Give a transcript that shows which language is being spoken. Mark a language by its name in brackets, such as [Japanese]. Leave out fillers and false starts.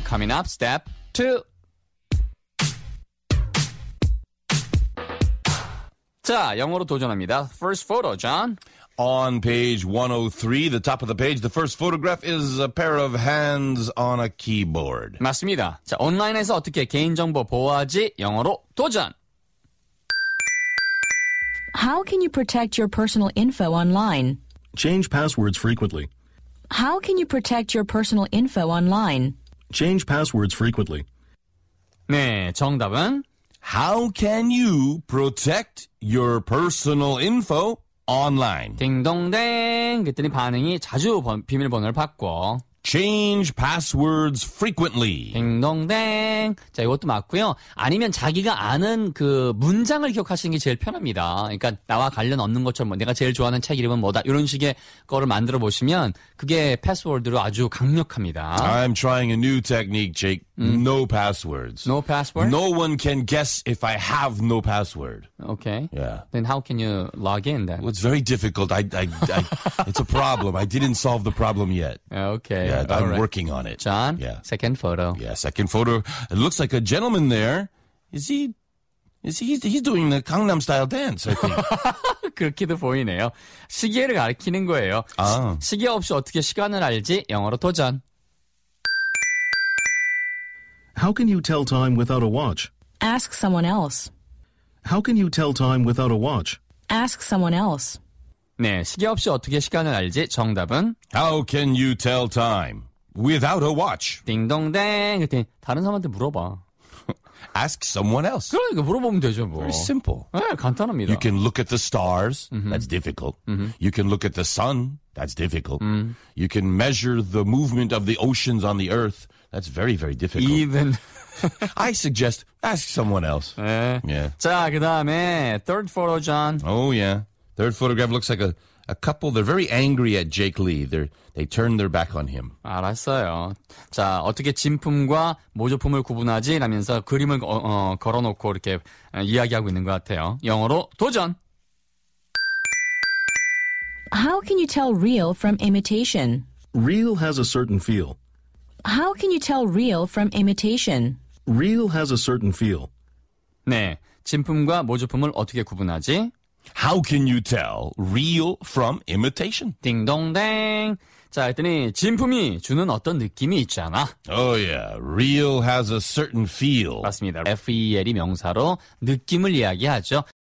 [English] Coming up, step two. [Korean] 자, 영어로 도전합니다. [English] First photo, John. On page 103, the top of the page, the first photograph is a pair of hands on a keyboard. [Korean] 맞습니다. 자, 온라인에서 어떻게 개인정보 보호하지? 영어로 도전! [English] How can you protect your personal info online? Change passwords frequently. How can you protect your personal info online? Change passwords frequently. [Korean] 네, 정답은? [English] How can you protect your personal info online? [Korean] 딩동댕 그랬더니 반응이 자주 비밀번호를 바꿔. [English] Change passwords frequently. [Korean] 딩동댕. 자, 이것도 맞고요. 아니면 자기가 아는 그 문장을 기억하시는 게 제일 편합니다. 그러니까 나와 관련 없는 것처럼 내가 제일 좋아하는 책 이름은 뭐다. 이런 식의 거를 만들어 보시면 그게 패스워드로 아주 강력합니다. [English] I'm trying a new technique, Jake. No passwords. No passwords? No one can guess if I have no password. Okay. Yeah. Then how can you log in then? Well, it's very difficult. I it's a problem. I didn't solve the problem yet. Okay. Yeah, I'm working on it. John? Yeah. Second photo. Yeah, second photo. It looks like a gentleman there. He's doing the Gangnam style dance, I think. [Korean] 그렇게도 보이네요. 시계를 가리키는 거예요. 아. 시계 없이 어떻게 시간을 알지? 영어로 도전. [English] How can you tell time without a watch? Ask someone else. How can you tell time without a watch? Ask someone else. [Korean] 네, 시계 없이 어떻게 시간을 알지? 정답은 [English] How can you tell time without a watch? [Korean] 딩동댕. 그때 다른 사람한테 물어봐. [English] Ask someone else. [Korean] 그러니까 물어보면 되죠, 뭐. [English] Very simple. [Korean] 네, 간단합니다. [English] You can look at the stars. Mm-hmm. That's difficult. Mm-hmm. You can look at the sun. That's difficult. Mm. You can measure the movement of the oceans on the earth. That's very, very difficult. Even. I suggest ask someone else. [Korean] 네. Yeah. 자, 그 다음에 [English] third photo, John. Oh, yeah. Third photograph looks like a couple. They're very angry at Jake Lee. They turn their back on him. [Korean] 알았어요. 자, 어떻게 진품과 모조품을 구분하지? 라면서 그림을 걸어놓고 이렇게 이야기하고 있는 것 같아요. 영어로 도전! [English] How can you tell real from imitation? Real has a certain feel. How can you tell real from imitation? Real has a certain feel. [Korean] 네, 진품과 모조품을 어떻게 구분하지? [English] How can you tell real from imitation? [Korean] 딩동댕. 자, 그랬더니 진품이 주는 어떤 느낌이 있잖아. [English] Oh yeah, real has a certain feel. [Korean] 맞습니다. F-E-L이 명사로 느낌을 이야기하죠.